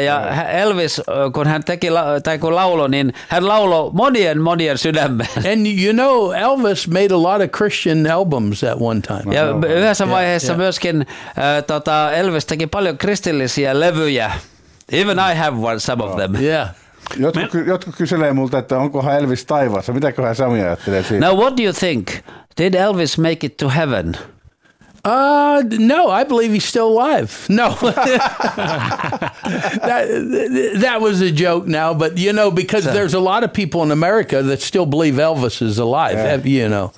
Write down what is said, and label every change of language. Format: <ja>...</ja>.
<fi>Ja Elvis, kun hän teki, tai kun laulo, niin hän lauloi monien sydämeen.</fi> <en>You know, Elvis made a lot of Christian albums at one time.</en> <fi>Ja yhdessä vaiheessa myöskin Elvis teki paljon kristillisiä levyjä.</fi> <en>Even I have some of them. Yeah.</en> <fi>Jotkut kyselee multa, että onkohan Elvis taivaassa. Mitäköhän Sami ajattelee siitä?</fi> <en>Now, what do you think? Did Elvis make it to heaven? No, I believe he's still alive. No. that was a joke now, but you know, because there's a lot of people in America that still believe Elvis is alive, you know.</en>